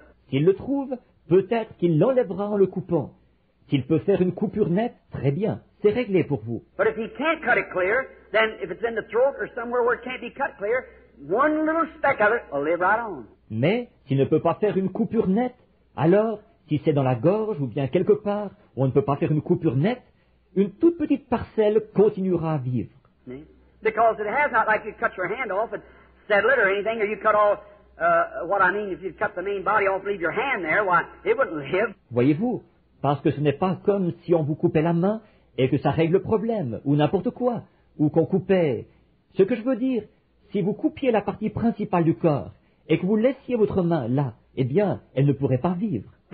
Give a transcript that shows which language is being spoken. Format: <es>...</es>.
<fr>S'il le trouve, peut-être qu'il l'enlèvera en le coupant. S'il peut faire une coupure nette, très bien, c'est réglé pour vous.</fr> <en>But if he can't cut it clear, then if it's in the throat or somewhere where it can't be cut clear. One little speck of it will live right on.</en> <fr>Mais s'il ne peut pas faire une coupure nette, alors si c'est dans la gorge ou bien quelque part où on ne peut pas faire une coupure nette, une toute petite parcelle continuera à vivre.</fr> <en>Because it has not like you cut your hand off and settle it or anything, or you cut off what I mean if you cut the main body off, leave your hand there, why it wouldn't live.</en> <fr>Voyez-vous, parce que ce n'est pas comme si on vous coupait la main et que ça règle le problème ou n'importe quoi ou qu'on coupait. Ce que je veux dire. Si vous coupiez la partie principale du corps et que vous laissiez votre main là, eh bien, elle ne pourrait pas vivre.</fr>